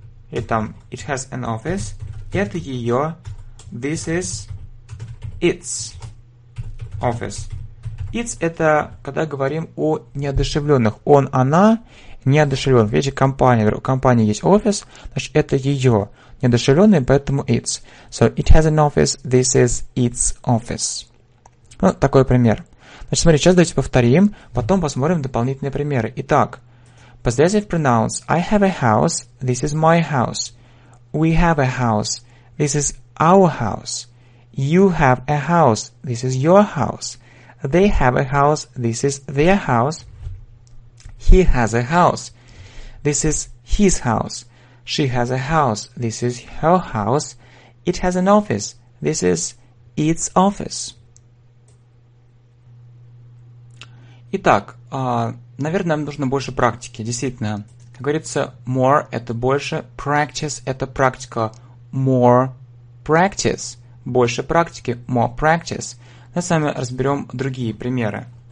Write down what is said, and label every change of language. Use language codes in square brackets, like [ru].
[ru] И там, [en] it has an office. [ru] Это ее, [en] this is its office. [ru] Its – это когда говорим о неодушевленных. Он, она, неодушевлен. Видите, компания. У компании есть офис, значит, это ее неодушевленный, поэтому its. [en] So, it has an office, this is its office. [ru] Ну, такой пример. Значит, смотрите, сейчас давайте повторим, потом посмотрим дополнительные примеры. Итак, [en] possessive pronouns. I have a house, this is my house. We have a house, this is our house. You have a house, this is your house. They have a house, this is their house. He has a house, this is his house. She has a house, this is her house. It has an office, this is its office. [ru] Итак, наверное, нам нужно больше практики, действительно. Как говорится, more – это больше, practice – это практика. [en] More practice – [ru] больше практики, [en] more practice. [ru] Мы с вами разберем другие примеры.